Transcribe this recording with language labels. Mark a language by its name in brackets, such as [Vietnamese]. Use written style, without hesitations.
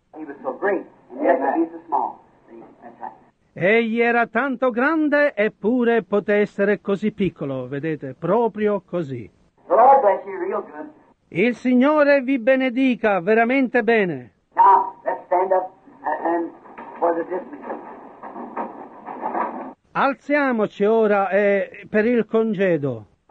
[English] He was so great and yet he was so small. [Italian] Egli era tanto grande, eppure poté essere così piccolo, vedete, proprio così. [English] The Lord bless you real good. [Italian] Il Signore vi benedica veramente bene. [English] Now, let's stand up and for the dismissal. [Italian] Alziamoci ora per il congedo.